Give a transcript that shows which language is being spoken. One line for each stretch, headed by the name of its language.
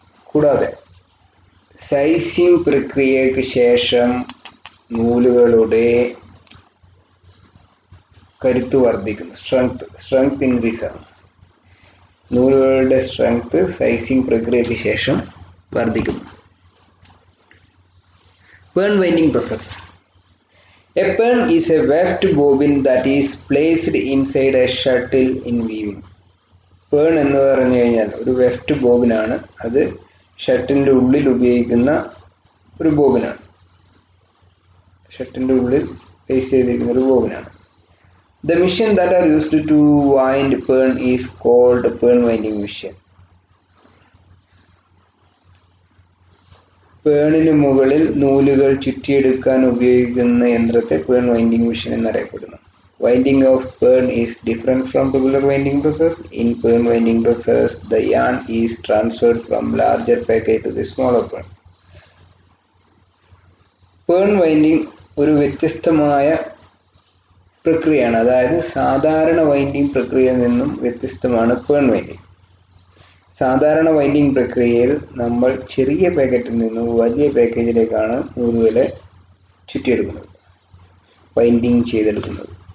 Malayalam: കൂടാതെ സൈസിംഗ് പ്രക്രിയയ്ക്ക് ശേഷം നൂലുകളുടെ കരുത്ത് വർദ്ധിക്കുന്നു, സ്ട്രെങ്ത് ഇൻക്രീസ് ആണ്. നൂലുകളുടെ സ്ട്രെങ്ത് സൈസിംഗ് പ്രക്രിയയ്ക്ക് ശേഷം വർദ്ധിക്കുന്നു.
English: വേൺ winding process. A pern is a weft bobbin that is placed inside a shuttle in weaving.
Malayalam: Pern എന്ന് പറഞ്ഞു കഴിഞ്ഞാൽ ഒരു weft bobbin ആണ്, അത് ഷട്ടിൻ്റെ ഉള്ളിൽ ഉപയോഗിക്കുന്ന ഒരു ബോബിനാണ്. ഷട്ടിൻ്റെ ഉള്ളിൽ പ്ലേസ് ചെയ്തിരിക്കുന്ന ഒരു ബോബിനാണ്.
English: The machine that are used to wind pern is called pern winding machine.
Malayalam: പേണിന് മുകളിൽ നൂലുകൾ ചുറ്റിയെടുക്കാൻ ഉപയോഗിക്കുന്ന യന്ത്രത്തെ പേൺ വൈൻഡിങ് മിഷൻ എന്നറിയപ്പെടുന്നു.
English: winding of fern is different from regular winding process. In fern winding process, the yarn is transferred from larger packet to the smaller one.
Malayalam: Fern winding ഒരു വ്യത്യസ്തമായ പ്രക്രിയയാണ്. അതായത് സാധാരണ winding പ്രക്രിയയിൽ നിന്നും വ്യത്യസ്തമാണ് ഫേൺ വൈൻഡിംഗ്. സാധാരണ വൈൻഡിംഗ് പ്രക്രിയയിൽ നമ്മൾ ചെറിയ പാക്കറ്റിൽ നിന്നും വലിയ പാക്കേജിലേക്കാണ് നൂലുകളെ ചുറ്റിയെടുക്കുന്നത്, വൈൻഡിംഗ് ചെയ്തെടുക്കുന്നത്.